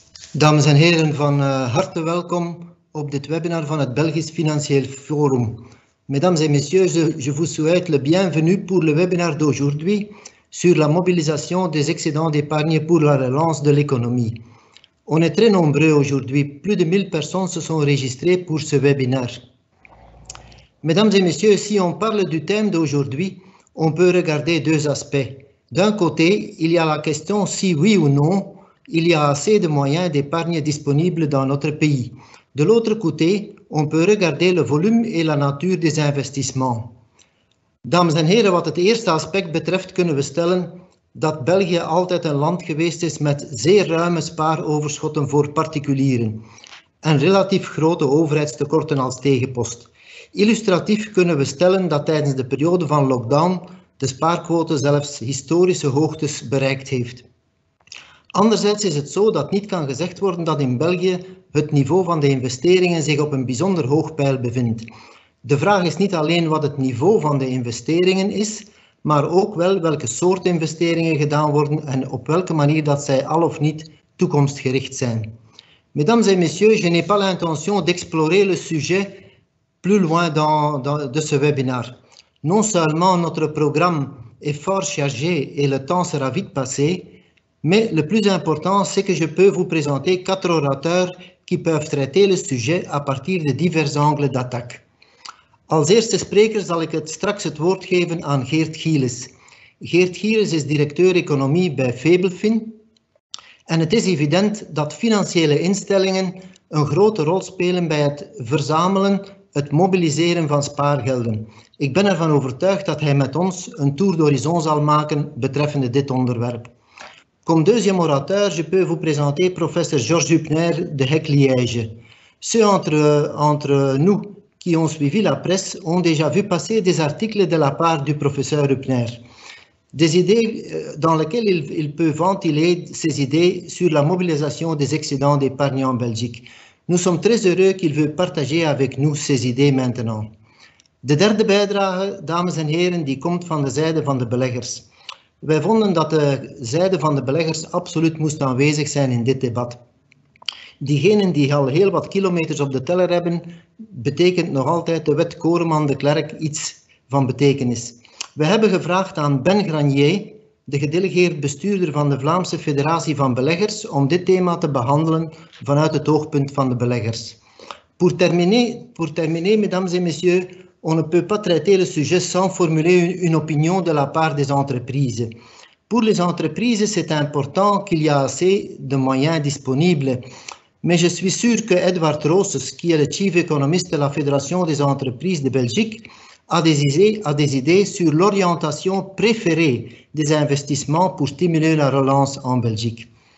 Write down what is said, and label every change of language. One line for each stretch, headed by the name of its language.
Dutch: Dames en heren, van harte welkom op dit webinar van het Belgisch Financieel Forum.
French: Mesdames et messieurs, je vous souhaite le bienvenu pour le webinar d'aujourd'hui sur la mobilisation des excédents d'épargne pour la relance de l'économie. On est très nombreux aujourd'hui, plus de 1000 personnes se sont enregistrées pour ce webinar. Mesdames et messieurs, si on parle du thème d'aujourd'hui, on peut regarder deux aspects. D'un côté, il y a la question si oui ou non, il y a assez de moyens d'épargne disponibles dans notre pays. De l'autre côté, on peut regarder le volume et la nature des investissements.
Dutch: Dames en heren, wat het eerste aspect betreft, kunnen we stellen dat België altijd een land geweest is met zeer ruime spaaroverschotten voor particulieren en relatief grote overheidstekorten als tegenpost. Illustratief kunnen we stellen dat tijdens de periode van lockdown de spaarquote zelfs historische hoogtes bereikt heeft. Anderzijds is het zo dat niet kan gezegd worden dat in België het niveau van de investeringen zich op een bijzonder hoog peil bevindt. De vraag is niet alleen wat het niveau van de investeringen is, maar ook wel welke soort investeringen gedaan worden en op welke manier dat zij al of niet toekomstgericht zijn.
French: Mesdames et messieurs, je n'ai pas l'intention d'explorer le sujet plus loin de ce webinar. Non seulement notre programme est fort chargé et le temps sera vite passé, mais le plus important, c'est que je peux vous présenter quatre orateurs qui peuvent traiter le sujet à partir de divers angles d'attaque.
Dutch: Als eerste spreker zal ik straks het woord geven aan Geert Gielis. Geert Gielis is directeur economie bij Febelfin. En het is evident dat financiële instellingen een grote rol spelen bij het verzamelen, het mobiliseren van spaargelden. Ik ben ervan overtuigd dat hij met ons een tour d'horizon zal maken betreffende dit onderwerp.
French: Comme deuxième orateur, je peux vous présenter professeur Georges Hupner de HEC Liège. Ceux entre nous qui ont suivi la presse ont déjà vu passer des articles de la part du professeur Hupner. Des idées dans lesquelles il peut ventiler ses idées sur la mobilisation des excédents d'épargne en Belgique. Nous sommes très heureux qu'il veut partager avec nous ses idées maintenant.
Dutch: De derde bijdrage, dames en heren, die komt van de zijde van de beleggers. Wij vonden dat de zijde van de beleggers absoluut moest aanwezig zijn in dit debat. Diegenen die al heel wat kilometers op de teller hebben, betekent nog altijd de wet Koreman de Klerk iets van betekenis. We hebben gevraagd aan Ben Granier, de gedelegeerd bestuurder van de Vlaamse Federatie van Beleggers, om dit thema te behandelen vanuit het oogpunt van de beleggers.
French: Pour terminer, mesdames et messieurs, on ne peut pas traiter le sujet sans formuler une opinion de la part des entreprises. Pour les entreprises, c'est important qu'il y ait assez de moyens disponibles. Mais je suis sûr que Edward Roosens, qui est le chief économiste de la Fédération des entreprises de Belgique, a des idées sur l'orientation préférée des investissements pour stimuler la relance en Belgique.